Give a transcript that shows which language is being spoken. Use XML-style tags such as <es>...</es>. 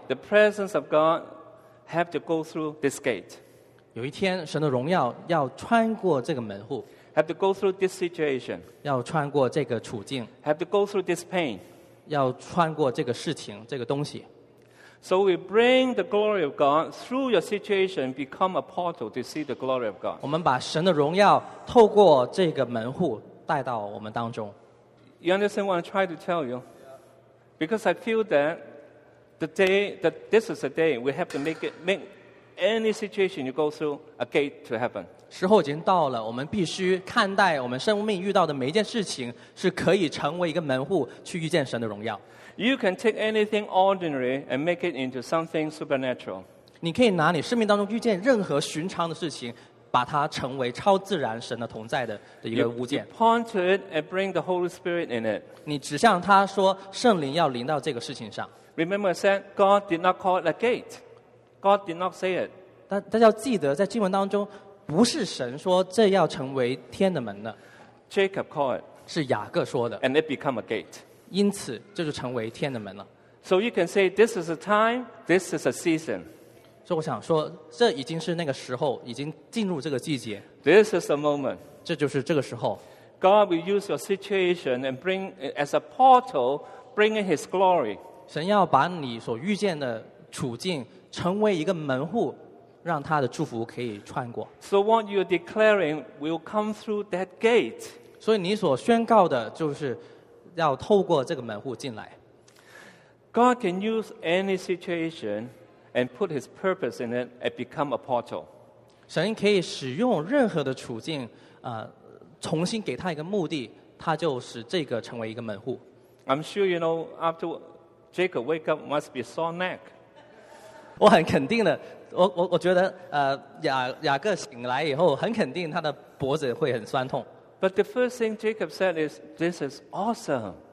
<en>The presence of God have to go through this gate.</en> <zh>有一天，神的荣耀要穿过这个门户。</zh> <en>Have to go through this situation.</en> <zh>要穿过这个处境。</zh> <en>Have to go through this pain.</en> <zh>要穿过这个事情，这个东西。</zh> <en>So we bring the glory of God through your situation, become a portal to see the glory of God.</en> <zh>我们把神的荣耀透过这个门户带到我们当中。</zh> <en>You understand what I try to tell you? Because I feel that the day that this is the day we have to make any situation you go through a gate to heaven.</en> <zh>时候已经到了，我们必须看待我们生命遇到的每一件事情是可以成为一个门户去遇见神的荣耀。</zh> <en>You can take anything ordinary and make it into something supernatural.</en> <zh>你可以拿你生命当中遇见任何寻常的事情，把它成为超自然神的同在的一个物件。</zh> <en>You point to it and bring the Holy Spirit in it.</en> <zh>你指向他说圣灵要临到这个事情上。</zh> <en>Remember, I said God did not call it a gate. God did not say it.</en> <zh>但要记得，在经文当中，不是神说这要成为天的门的。</zh> <en>Jacob called.</en> <zh>是雅各说的。</zh> <en>And it become a gate.</en> <zh>因此，这就成为天的门了。</zh> <en>So you can say this is a time, this is a season.</en> <zh>所以我想说，这已经是那个时候，已经进入这个季节。</zh> <en>This is the moment.</en> <zh>这就是这个时候。</zh> <en>God will use your situation and bring as a portal, bringing His glory.</en> <zh>神要把你所遇见的处境成为一个门户，让他的祝福可以穿过。</zh> <en>So what you are declaring will come through that gate.</en> <zh>所以你所宣告的就是。要透过这个门户进来。</zh> <en>God can use any situation and put His purpose in it and become a portal.</en> <zh>神可以使用任何的处境，重新给他一个目的，他就使这个成为一个门户。</zh> <en>I'm sure you know after Jacob wake up must be sore neck.</en> <zh>我很肯定的，我觉得雅各醒来以后，很肯定他的脖子会很酸痛。</zh> <en>But the first thing Jacob said is, "This is awesome."</en>